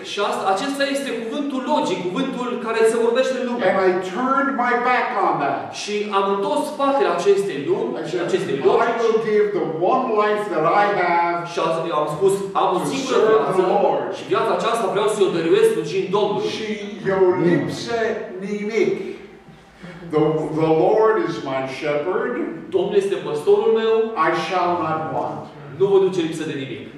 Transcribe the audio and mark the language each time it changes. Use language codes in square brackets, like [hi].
[ro] Și acesta este cuvântul logic, cuvântul care se vorbește în lume. [en] And I turned my back on that. [ro] Și am întors spatele acestei lumi, acestei logici. [en] I will give the one life that I have. [ro] Și am spus, am o singură viață. Și viața aceasta vreau să o dăruiesc lui Domnul. Și eu lipse nimic. [en] The Lord is my shepherd. [ro] Domnul este păstorul meu. [en] I shall not want. [ro] Nu vă duce lipsă de nimic.